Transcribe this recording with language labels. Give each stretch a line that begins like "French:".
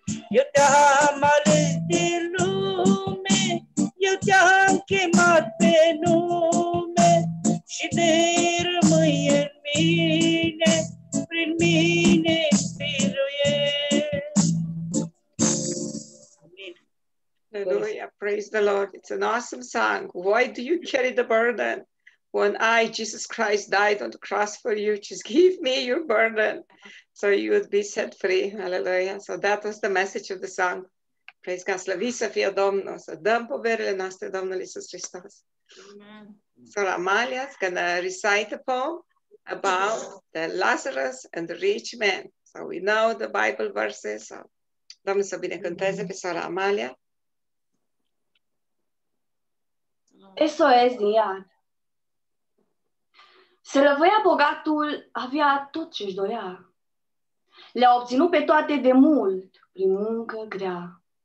Romanian: Eu te-am ales de lume, eu te-am chemat pe nume și de rămâi în mine, prin mine biruiesc.
English: Hallelujah, praise the Lord. It's an awesome song. Why do you carry the burden? When I, Jesus Christ, died on the cross for you, just give me your burden so you would be set free. Hallelujah. So that was the message of the song. Praise God.
Romanian: Slăvi să fie Domnul. Să dăm poverile noastre, Domnul Iisus Hristos. Amen.
English: So Amalia is going to recite a poem about the Lazarus and the rich man. So we know the Bible verses.
Romanian: So, Domnul să binecuvânteze pe sora Amalia. Eso es, Ian. Se lăvăia bogatul, avea tot ce-și dorea. Le-a obținut pe toate de mult, prin muncă grea.